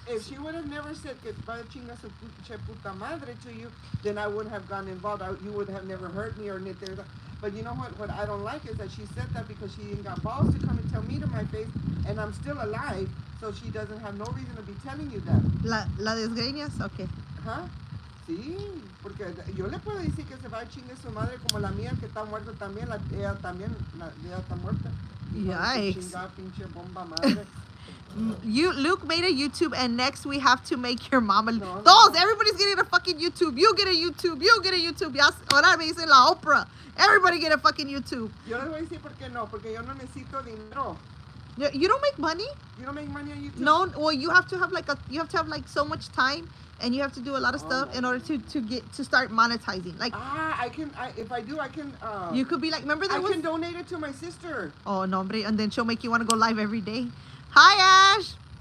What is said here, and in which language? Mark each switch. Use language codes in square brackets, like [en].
[en] If she would have never said [es] que va chinga su pinche puta madre [en] to you, then I wouldn't have gotten involved. You would have never hurt me or knit there. But you know what? What I don't like is that she said that because she didn't got balls to come and tell me to my face, and I'm still alive, so she doesn't have no reason to be telling you that. [es] La desgreñas, okay. Huh? Sí, porque yo le puedo decir que se va a chingar su madre como la mía, que está muerta también, ella está muerta. [en] Yikes. You, Luke made a YouTube, and next we have to make your mama. No, those, no. Everybody's getting a fucking YouTube. You get a YouTube. You get a YouTube. Yes. [es] Ahora me dicen la Oprah. [en] Everybody get a fucking YouTube. [es] Yo les voy a decir por qué no, porque yo no necesito dinero. [en] You don't make money? You don't make money on YouTube? No, well, you have to have like a, you have to have like so much time, and you have to do a lot of stuff in order to get, to start monetizing. Like, I can, if I do, I can. You could be like, remember that I was, can donate it to my sister. Oh, no, hombre, and then she'll make you want to go live every day. Hi, Ash.